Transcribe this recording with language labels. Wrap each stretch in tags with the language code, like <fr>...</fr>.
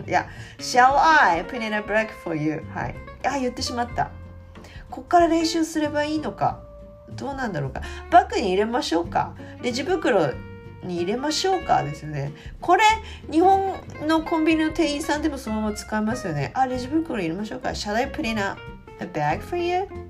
<en>Yeah, Shall I put in a break for you?</en> <ja>はい、あ、言ってしまった。こっから練習すればいいのかどうなんだろうか。バッグに入れましょうか、レジ袋に入れましょうかですよね。これ日本のコンビニの店員さんでもそのまま使いますよね。あ、レジ袋入れましょうか。</ja> <en>Shall I put in a bag for you?</en>